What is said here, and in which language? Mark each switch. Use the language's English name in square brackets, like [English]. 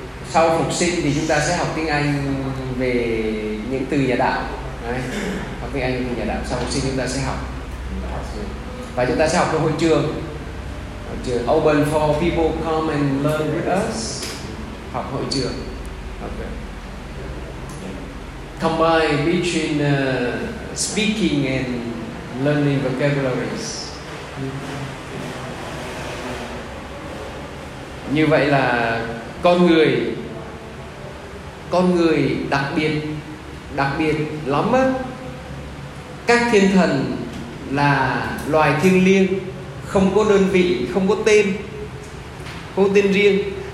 [Vietnamese] Sau phục sinh thì chúng ta sẽ học tiếng Anh về những từ nhà đạo. Đấy. Học tiếng Anh của nhà đạo xong xin chúng ta sẽ học. Và chúng ta sẽ học cái hội trường. [English] Hội trường open for people come and learn with us. [Vietnamese] Học hội trường. [English] Okay. Combine between speaking and learning vocabularies. [Vietnamese] Như vậy là con người đặc biệt lắm á. Các thiên thần là loài thiêng liêng, không có đơn vị, không có tên, không có tên riêng.